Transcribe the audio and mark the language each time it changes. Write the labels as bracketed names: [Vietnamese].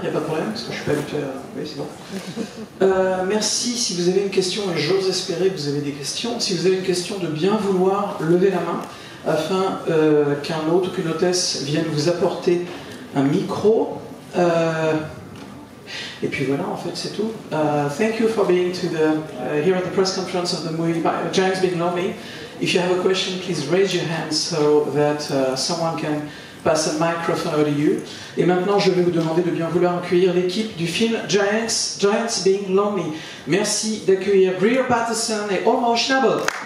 [French] Il n'y a pas de problème, parce que je ne suis pas habitué à... Oui, c'est bon. Merci. Si vous avez une question, et j'ose espérer que vous avez des questions, si vous avez une question, de bien vouloir lever la main, afin qu'un hôte ou qu'une hôtesse vienne vous apporter un micro. Et puis voilà, en fait, c'est tout. [English] Thank you for being here at the press conference of the movie Giants Being Lonely. If you have a question, please raise your hand so that someone can pass a microphone over to you. [French] Et maintenant, je vais vous demander de bien vouloir accueillir l'équipe du film Giants Being Lonely. Merci d'accueillir Greer Patterson et Omar Schnabel.